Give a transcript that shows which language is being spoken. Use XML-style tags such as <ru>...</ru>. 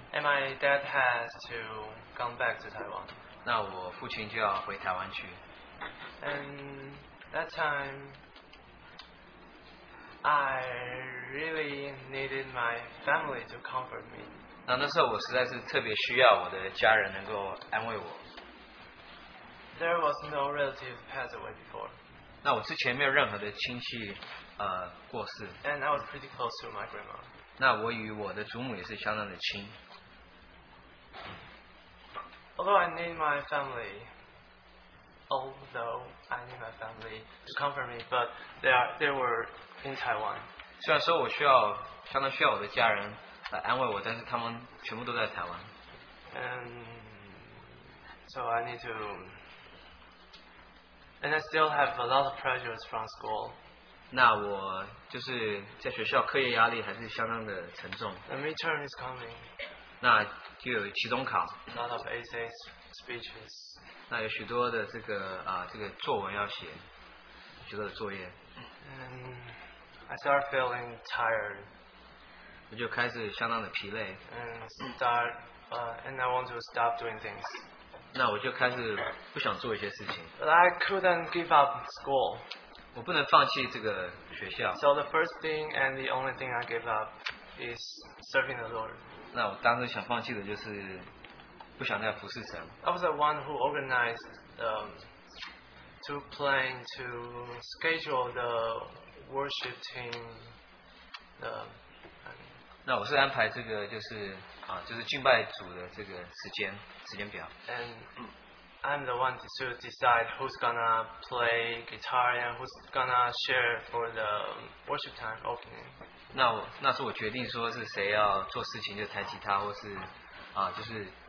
<en>And my dad has to come back to Taiwan.</en> <zh>那我父亲就要回台湾去。</zh> <en>And that time, I really needed my family to comfort me.</en> <zh>那时候我实在是特别需要我的家人能够安慰我。</zh> <en>There was no relative passed away before.</en> <zh>那我之前没有任何的亲戚过世。</zh> <en>And I was pretty close to my grandma.</en> <zh>那我与我的祖母也是相当的亲。</zh> <en>Although I need my family. Although I need my family to comfort me, but they were in Taiwan.</en> <zh>虽然说我需要相当需要我的家人来安慰我，但是他们全部都在台湾。</zh> <en>And so I need to. And I still have a lot of pressures from school.</en> <zh>那我就是在学校课业压力还是相当的沉重。</zh> <en>The midterm is coming.</en> <zh>那就有期中考。</zh> <en>A lot of essays, speeches.</en> <zh>那有许多的这个这个作文要写，许多的作业。</zh> <en>I start feeling tired.</en> <zh>我就开始相当的疲累。</zh> <en>And I want to stop doing things.</en> <zh>那我就开始不想做一些事情。</zh> <en>But I couldn't give up school.</en> <zh>我不能放弃这个学校。</zh> <en>So the first thing and the only thing I gave up is serving the Lord.</en> <zh>那我当时想放弃的就是。不想再服侍神。</zh> <en>I was the one who organized to plan to schedule the worship team.</en> <zh>那我是安排这个就是敬拜组的这个时间表。</zh> <en>And I'm the one to decide who's gonna play guitar and who's gonna share for the worship time opening.</en> <zh>那是我决定说是谁要做事情，就弹吉他或是就是。</zh>